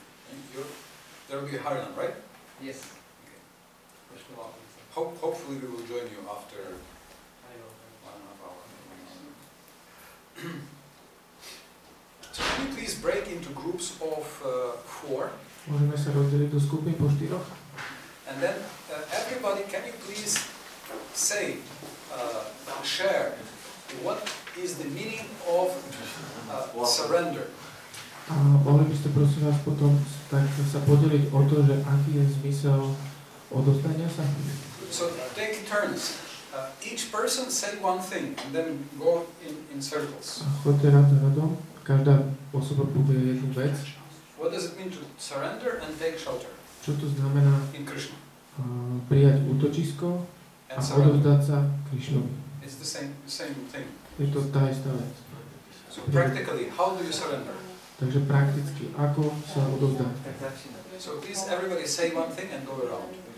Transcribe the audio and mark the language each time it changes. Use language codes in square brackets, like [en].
[en] And you're, there'll be Harlem, right? Yes. Okay. Hopefully we will join you after 1.5 hours. So can you please break into groups of four? [sk] Môžeme sa rozdeliť do skupín po štyroch? [en] And then everybody, can you please say, share what is the meaning of surrender? [sk] A mohli by ste prosím vás potom tak sa podeliť o to, že aký je zmysel odostania sa? [en] So take turns. Each person say one thing and then go in circles. [sk] Choďte rád radom. Každá osoba povie jednu vec. [en] What does it mean to surrender and take shelter? [sk] Čo to znamená [en] in Krishna? [sk] Prijať útočisko a odovzdať sa Krišnovi. [en] It's the same thing. [sk] Je to tá istá vec. [en] So practically, how do you surrender? [sk] Takže prakticky, ako sa odovzdať? [en] So please everybody say one thing and go around.